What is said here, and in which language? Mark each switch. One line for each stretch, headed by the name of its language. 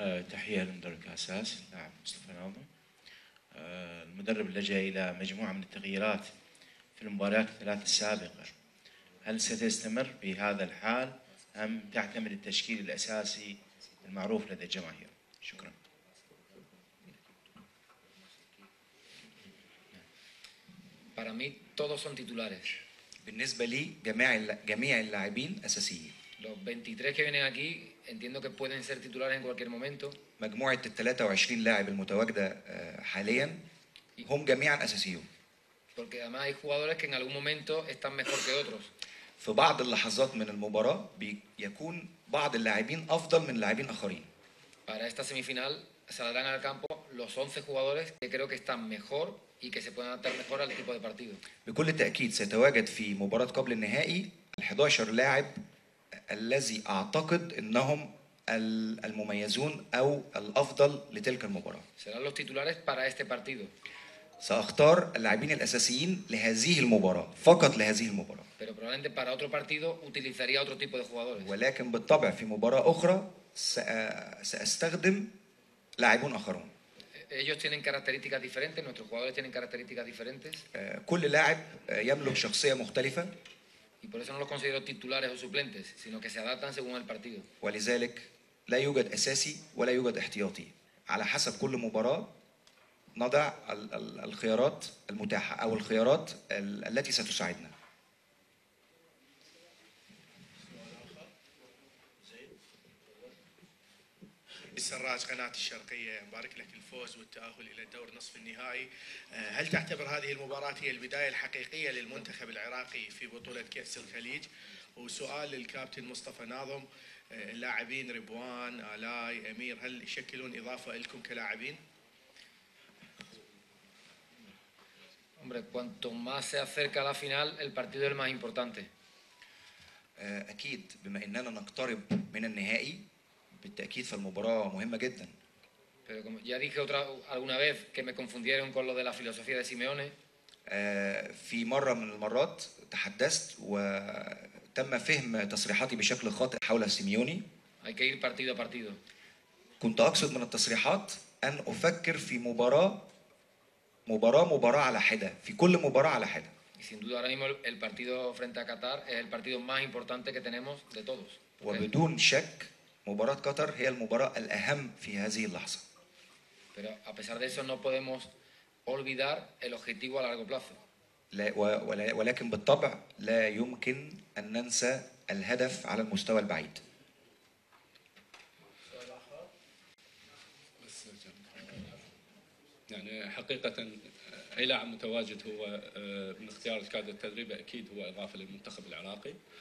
Arabic: تحية لمدرب الأساس، نعم مصطفى ناظم. المدرب لجأ إلى مجموعة من التغييرات في المباريات الثلاث السابقة، هل ستستمر بهذا الحال أم تعتمد التشكيل الأساسي المعروف لدى الجماهير؟ شكرا.
Spanish: Para mí todos son titulares.
Arabic: بالنسبة لي جميع اللاعبين أساسيين.
Spanish: Los 23 que vienen aquí entiendo que pueden ser titulares en cualquier momento.
Arabic: مجموعة ال 23 لاعب المتواجدة حاليا هم جميعا أساسيون.
Spanish: Porque además hay jugadores que en algún momento están mejor que otros.
Arabic: في بعض اللحظات من المباراة بيكون بعض اللاعبين أفضل من لاعبين آخرين.
Spanish: Para esta semifinal saldrán al campo los 11 jugadores que creo que están mejor y que se pueden adaptar mejor al tipo de partido.
Arabic: بكل تأكيد سيتواجد في مباراة قبل النهائي ال 11 لاعب الذي أعتقد أنهم المميزون أو الأفضل لتلك المباراة.
Spanish: Serán los titulares para este partido.
Arabic: سأختار اللاعبين الأساسيين لهذه المباراة فقط لهذه المباراة.
Spanish: Pero probablemente para otro partido utilizaría otro tipo de jugadores.
Arabic: ولكن بالطبع في مباراة أخرى سأستخدم لاعبون آخرون.
Spanish: Ellos tienen características diferentes. Nuestros jugadores tienen características diferentes.
Arabic: كل لاعب يملك شخصية مختلفة.
Spanish: Y por eso no los considero titulares o suplentes, sino que se adaptan según el partido.
Arabic: ولذلك لا يوجد أساسي ولا يوجد احتياطي. على حسب كل مباراة نضع الخيارات المتاحة أو الخيارات التي ستساعدنا. السراج قناة الشرقية مبارك لك الفوز والتأهل إلى الدور نصف النهائي. هل تعتبر هذه المباراة هي البداية الحقيقية للمنتخب العراقي في بطولة كأس الخليج؟ وسؤال للكابتن مصطفى ناظم، اللاعبين ربوان، آلاي، أمير، هل يشكلون إضافة لكم كلاعبين؟
Spanish: Hombre, cuanto más se acerca la final, el partido es el más importante.
Arabic: أكيد بما أننا نقترب من النهائي بالتأكيد فالمباراة مهمة جدا.
Spanish: Pero como ya dije otra alguna vez que me confundieron con lo de la filosofía de Simeone.
Arabic: في مرة من المرات تحدثت وتم فهم تصريحاتي بشكل خاطئ حول سيميوني.
Spanish: Hay que ir partido a partido.
Arabic: كنت أقصد من التصريحات أن أفكر في مباراة مباراة مباراة على حدة في كل مباراة على حدة.
Spanish: Sin duda ahora mismo el partido frente a Qatar es el partido más importante que tenemos de todos.
Arabic: وبدون شك مباراة قطر هي المباراة الأهم في هذه اللحظة.
Spanish: Pero a pesar de eso no podemos olvidar el objetivo a largo plazo.
Arabic: لا ولكن بالطبع لا يمكن أن ننسى الهدف على المستوى البعيد. يعني حقيقة أي لاعب متواجد هو من اختيار الكادر التدريبي أكيد هو إضافة للمنتخب العراقي.